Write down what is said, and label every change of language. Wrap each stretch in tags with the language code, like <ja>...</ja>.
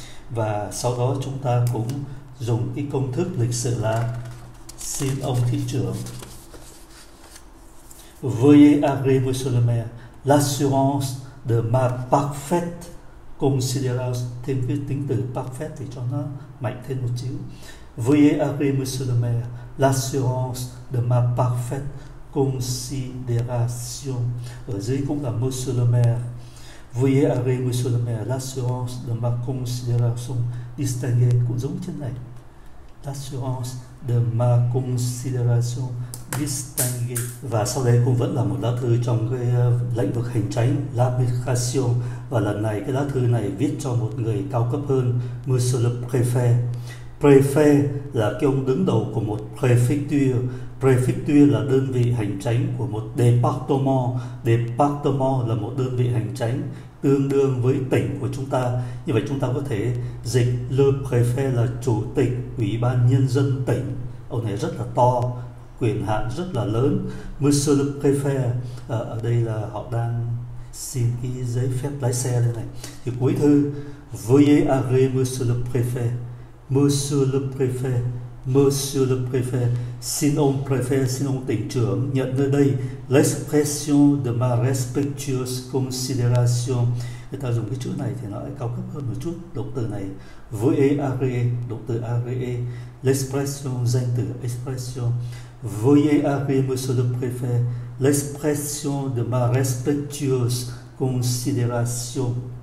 <vi>Và sau đó chúng ta cũng dùng cái công thức lịch sử là xin ông thị trưởng.</vi> <fr>Veuillez agréer, monsieur le maire, l'assurance de ma parfaite considération,</fr> <vi>thêm cái tính từ parfaite thì cho nó mạnh thêm một chữ.</vi> <fr>Veuillez agréer, monsieur le maire, l'assurance de ma parfaite considération.</fr> <vi>Ở dưới cũng là monsieur le maire.</vi> <fr>Veuillez agréer, monsieur le maire, l'assurance de ma considération distinguée,</fr> <vi>cũng giống trên này.</vi> <fr>L'assurance de ma considération distinguée.</fr> <vi>Và sau đây cũng vẫn là một lá thư trong cái lĩnh vực hành chính, l'administration, và lần này cái lá thư này viết cho một người cao cấp hơn,</vi> <fr>monsieur le préfet.</fr> <vi>Préfet là cái ông đứng đầu của một préfecture, Préfecture là đơn vị hành chánh của một département. Département là một đơn vị hành chánh tương đương với tỉnh của chúng ta. Như vậy chúng ta có thể dịch Le préfet là chủ tịch ủy ban nhân dân tỉnh. Ông này rất là to, quyền hạn rất là lớn.</vi> <fr>Monsieur le préfet,</fr> <vi>ở đây là họ đang xin cái giấy phép lái xe đây này. Thì cuối thư,</vi> <fr>Veuillez agréer monsieur le préfet. Monsieur le préfet.</fr> <vi>Monsieur le préfet, xin ông préfet, xin ông tỉnh trưởng nhận nơi đây</vi> <fr>l'expression de ma respectueuse considération.</fr> <vi>Người ta dùng cái chữ này thì nó lại cao cấp hơn một chút, động từ này</vi> <fr>veuillez agréer, động từ agréer, l'expression danh từ expression, veuillez agréer monsieur le préfet l'expression de ma respectueuse considération.</fr>